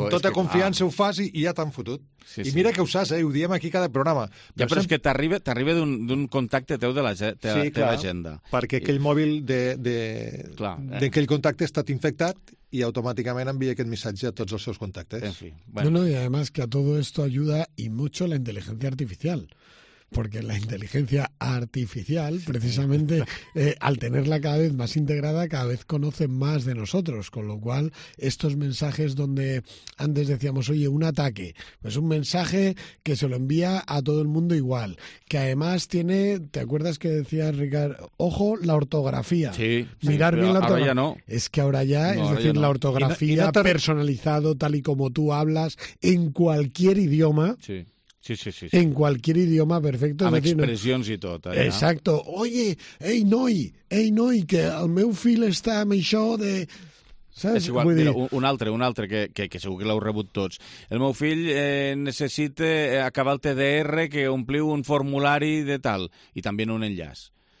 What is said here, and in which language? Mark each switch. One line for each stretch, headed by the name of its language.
Catalan: Amb tota confiança ho fas i ja t'han fotut. Sí, i mira que ho saps, ho diem aquí cada programa. Ja, però és que t'arriba d'un contacte teu de la teva agenda. Perquè aquell mòbil d'aquell contacte ha estat infectat i automàticament envia aquest missatge a tots els seus contactes. En fi.
Spanish: Bueno. No, i además que a todo esto ayuda y mucho la inteligencia artificial. Porque la inteligencia artificial, precisamente, al tenerla cada vez más integrada, cada vez conoce más de nosotros. Con lo cual, estos mensajes donde antes decíamos, oye, un ataque, pues un mensaje que se lo envía a todo el mundo igual. Que además tiene, ¿te acuerdas que decía Ricardo? Ojo, la ortografía. Sí, mirar bien la ortografía. Ahora ya no. Es que ahora ya, no, es decir, ya no. La ortografía y no personalizado, tal y como tú hablas, en cualquier idioma. Sí. Sí, sí, sí, sí. En cualquier idioma, perfecto.
Catalan: Amb expressions i tot. Allà.
Spanish: Exacto.
Catalan: Oye, ei, noi, que el meu fill està amb això de... Saps? És igual, mira, un altre que segur que l'heu rebut tots. El meu fill necessita acabar el TDR que ompliu un formulari de tal, i també un enllaç.